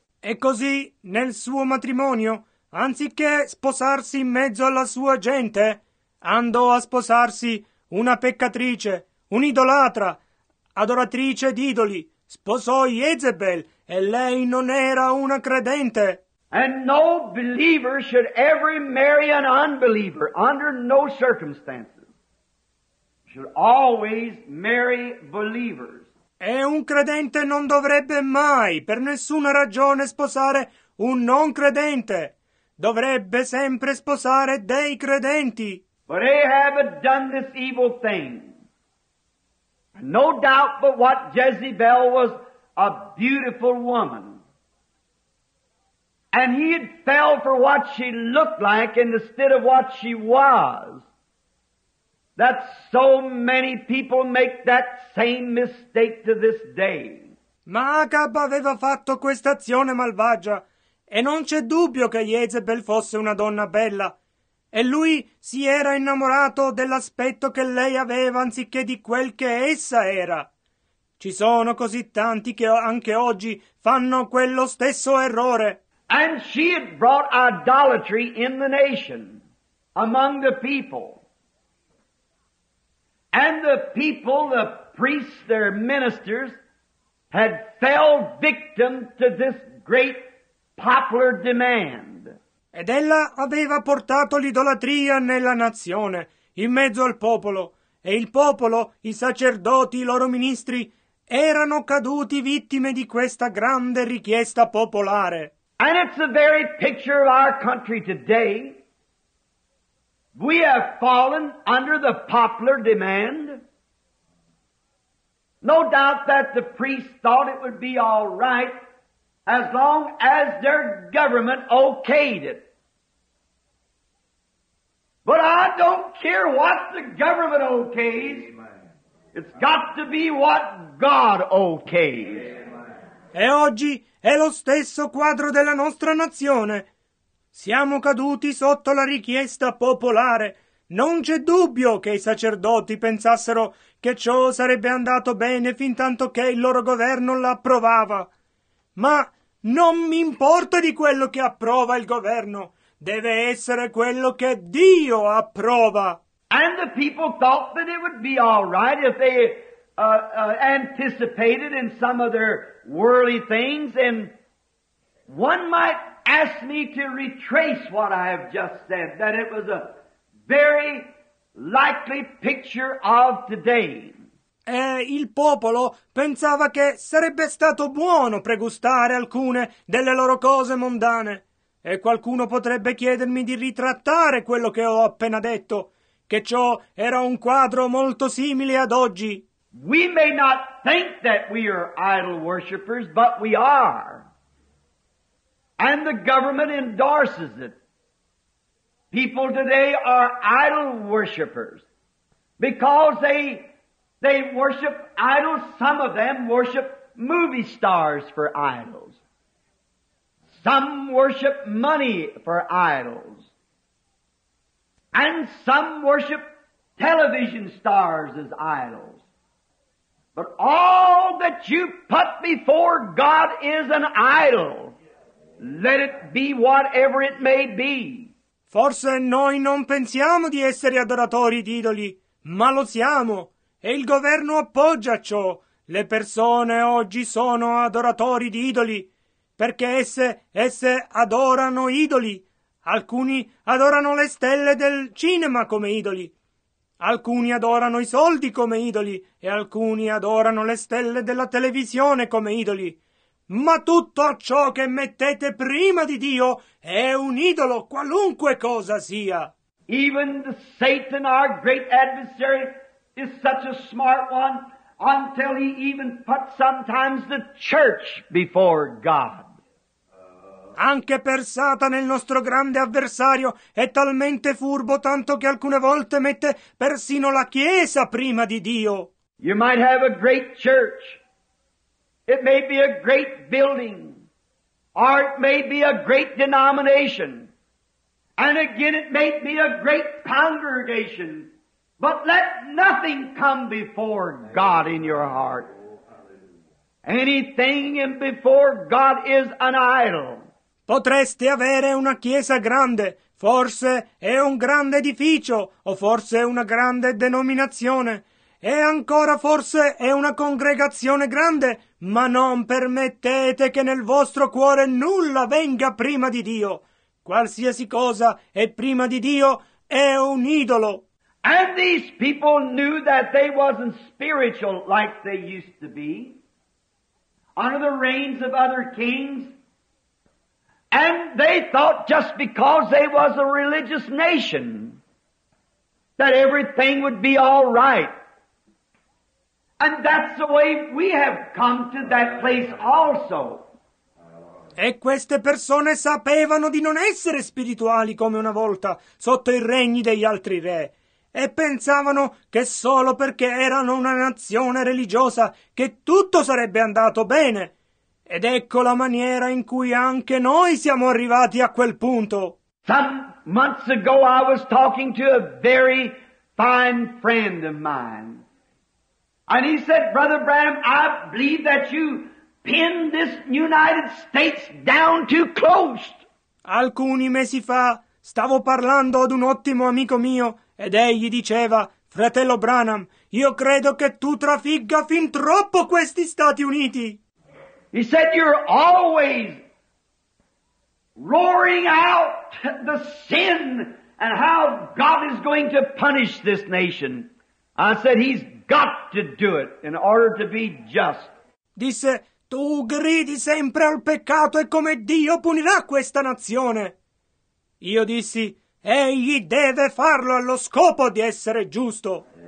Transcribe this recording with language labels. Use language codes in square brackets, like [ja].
[it] E così, nel suo matrimonio, anziché sposarsi in mezzo alla sua gente, andò a sposarsi una peccatrice, un'idolatra, adoratrice d'idoli. Sposò Jezebel e lei non era una credente. [en] And no believer should ever marry an unbeliever under no circumstances. Should always marry believers. [it] E un credente non dovrebbe mai, per nessuna ragione, sposare un non credente. Dovrebbe sempre sposare dei credenti. [en] But Ahab had done this evil thing. No doubt but what Jezebel was a beautiful woman. And he had fell for what she looked like instead of what she was. That so many people make that same mistake to this day. [it] Ma Acab aveva fatto questa azione malvagia, e non c'è dubbio che Jezebel fosse una donna bella. E lui si era innamorato dell'aspetto che lei aveva anziché di quel che essa era. Ci sono così tanti che anche oggi fanno quello stesso errore. [en] And she had brought idolatry in the nation, among the people. And the people, the priests, their ministers, had fell victim to this great popular demand. [it] Ed ella aveva portato l'idolatria nella nazione, in mezzo al popolo, e il popolo, i sacerdoti, i loro ministri, erano caduti vittime di questa grande richiesta popolare. [en] And it's the very picture of our country today. We have fallen under the popular demand. No doubt that the priests thought it would be all right as long as their government okayed it. But I don't care what the government okays. It's got to be what God okays. [it] E oggi è lo stesso quadro della nostra nazione. Siamo caduti sotto la richiesta popolare. Non c'è dubbio che i sacerdoti pensassero che ciò sarebbe andato bene fin tanto che il loro governo l'approvava. Ma non mi importa di quello che approva il governo. Deve essere quello che Dio approva. [en] And the people thought that it would be all right if they anticipated in some of their worldly things. And one might ask me to retrace what I have just said, that it was a very likely picture of today. [it] E il popolo pensava che sarebbe stato buono pregustare alcune delle loro cose mondane. E qualcuno potrebbe chiedermi di ritrattare quello che ho appena detto. che ciò era un quadro molto simile ad oggi. [en] We may not think that we are idol worshippers, but we are. And the government endorses it. People today are idol worshippers because they worship idols. Some of them worship movie stars for idols. Some worship money for idols. And some worship television stars as idols. But all that you put before God is an idol. Let it be whatever it may be. [it] Forse noi non pensiamo di essere adoratori di idoli, ma lo siamo, e il governo appoggia ciò. Le persone oggi sono adoratori di idoli, perché esse adorano idoli. Alcuni adorano le stelle del cinema come idoli, alcuni adorano i soldi come idoli, e alcuni adorano le stelle della televisione come idoli. Ma tutto ciò che mettete prima di Dio è un idolo, qualunque cosa sia. [en] Even the Satan, our great adversary, is such a smart one, until he even put sometimes the church before God. [it] Anche per Satana, il nostro grande avversario, è talmente furbo tanto che alcune volte mette persino la Chiesa prima di Dio. [en] You might have a great church. It may be a great building, or it may be a great denomination, and again it may be a great congregation, but let nothing come before God in your heart. Anything before God is an idol. [it] Potreste avere una chiesa grande, forse è un grande edificio, o forse una grande denominazione, e ancora forse è una congregazione grande, ma non permettete che nel vostro cuore nulla venga prima di Dio. Qualsiasi cosa è prima di Dio è un idolo. [en] And these people knew that they wasn't spiritual like they used to be, under the reigns of other kings. And they thought just because they was a religious nation that everything would be all right. And that's the way we have come to that place also. [it] E queste persone sapevano di non essere spirituali come una volta sotto i regni degli altri re, e pensavano che solo perché erano una nazione religiosa che tutto sarebbe andato bene. Ed ecco la maniera in cui anche noi siamo arrivati a quel punto. [en] Some months ago I was talking to a very fine friend of mine. And he said, Brother Branham, I believe that you pinned this United States down too close. [it] Alcuni mesi fa stavo parlando ad un ottimo amico mio ed egli diceva, Fratello Branham, io credo che tu trafigga fin troppo questi Stati Uniti. [en] He said, you're always roaring out the sin and how God is going to punish this nation. I said, he's got to do it in order to be just. [it] Disse, tu gridi sempre al peccato e come Dio punirà questa nazione. Io dissi, egli deve farlo allo scopo di essere giusto.